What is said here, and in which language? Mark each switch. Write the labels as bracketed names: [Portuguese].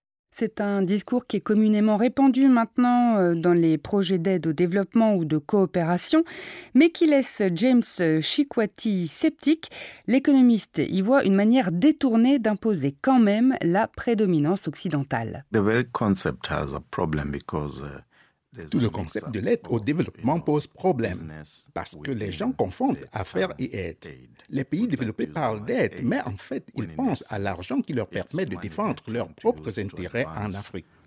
[French] C'est un discours qui est communément répandu maintenant dans les projets d'aide au développement ou de coopération, mais qui laisse James Chikwati sceptique. L'économiste y voit une manière détournée d'imposer quand même la prédominance occidentale. [English] The very concept has a problem because... [French] Tout le concept de l'aide au développement pose problème parce que les gens confondent affaires et aide. Les pays développés parlent d'aide, mais en fait, ils pensent à l'argent qui leur permet de défendre leurs propres intérêts en Afrique.